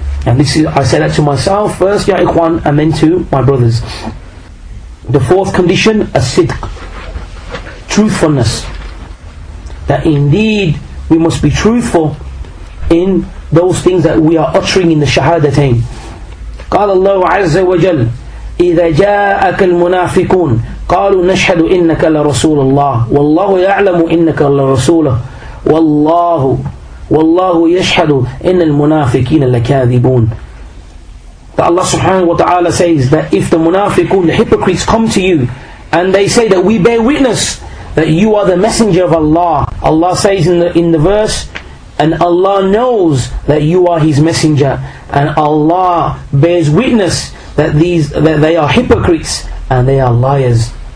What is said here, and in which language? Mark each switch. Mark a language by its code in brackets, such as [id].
[en] And this is, I said that to myself first, ya ikhwan, and then to my brothers. The fourth condition, as-sidq, truthfulness. That indeed we must be truthful in those things that we are uttering in the shahadatain. [ar] قال الله عز وجل إذا جاءك المنافقون قالوا نشهد إنك لرسول الله والله يعلم إنك لرسوله والله يشهد إن المنافقين لكاذبون. [en] That Allah subhanahu wa ta'ala says that if the munafiqun, the hypocrites, come to you and they say that we bear witness that you are the messenger of Allah, Allah says in the verse, and Allah knows that you are his messenger, and Allah bears witness that these, that they are hypocrites and they are liars.